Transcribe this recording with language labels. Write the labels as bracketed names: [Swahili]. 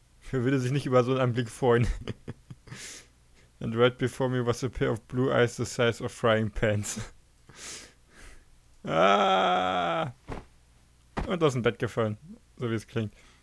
[German] Wer würde sich nicht über so einen Anblick freuen? [English] And right before me was a pair of blue eyes the size of frying pans. Ah! [German] Und aus dem Bett gefallen, so wie es klingt.